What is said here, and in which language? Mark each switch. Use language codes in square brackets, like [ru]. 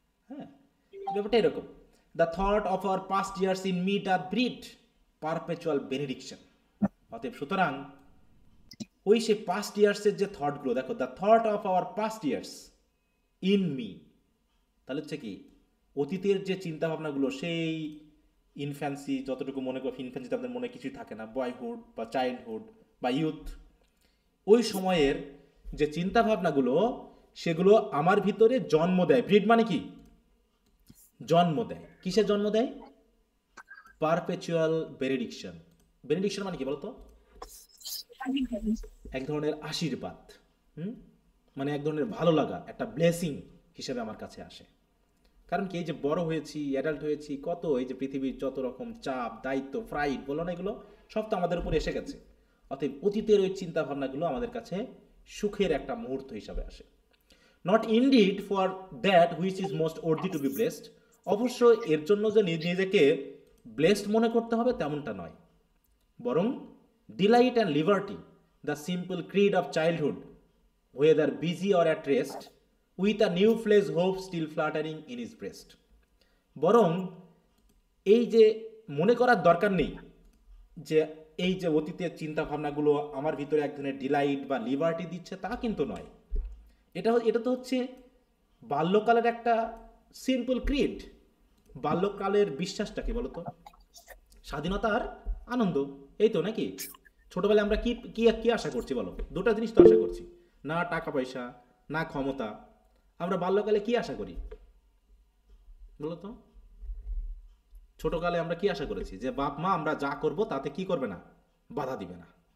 [bn] হ্যাঁ, ব্যাপারটা এরকম, [en] the thought of our past years in me that breed perpetual benediction. [bn] অতএব সুতরাং ওই সে past years এর যে thought গুলো দেখো, [en] the thought of our past years in me, [bn] তাহলে হচ্ছে কি অতীতের যে চিন্তা ভাবনা গুলো, সেই ইনফ্যান্সি, যতটুকু মনে করো ইনফ্যান্সি আপনাদের মনে কিছুই থাকে না, বয়হুড বা চাইল্ডহুড বা ইউথ, ওই সময়ের যে চিন্তা ভাবনাগুলো সেগুলো আমার ভিতরে জন্ম দেয়। ব্রিড মানে কি, জন্ম দেয়। কিসে জন্ম দেয়? পারপেচুয়াল বেনেডিকশন। বেনেডিকশন মানে কি বলতো, এক ধরনের আশীর্বাদ, মানে এক ধরনের ভালো লাগা, একটা ব্লেসিং হিসেবে আমার কাছে আসে। কারণ কি, এই যে বড় হয়েছি, অ্যাডাল্ট হয়েছি, কত এই যে পৃথিবীর যত রকম চাপ, দায়িত্ব, ফ্রাইড বলো না, এগুলো সব তো আমাদের উপরে এসে গেছে। অতএব অতীতের ওই চিন্তাভাবনাগুলো আমাদের কাছে সুখের একটা মুহূর্ত হিসাবে আসে। [en] Not indeed for that which is most worthy to be blessed. [bn] অবশ্য এর জন্য যে নিজেকে [en] blessed [bn] মনে করতে হবে তেমনটা নয়, বরং [en] delight and liberty, the simple creed of childhood, whether busy or at rest, with a new-fledged hope still fluttering in his breast. [bn] বরং এই যে মনে করার দরকার নেই যে এই যে অতীতের চিন্তাভাবনাগুলো আমার ভিতরে এক ধরনের delight বা liberty দিচ্ছে তা কিন্তু নয়, এটা তো হচ্ছে বাল্যকালের একটা সিম্পল ক্রিয়েট, বাল্যকালের বিশ্বাসটা কি বলতো, স্বাধীনতার আনন্দ, এই তো নাকি ছোটবেলায় আমরা কি কি কি আশা করছি বলো, দুটো জিনিস তো আশা করছি না, টাকা পয়সা না ক্ষমতা, আমরা বাল্যকালে কি আশা করি বলতো, ছোটকালে আমরা কি আশা করেছি, যে বাপ মা আমরা যা করব তাতে কি করবে না, বাধা দিবে না,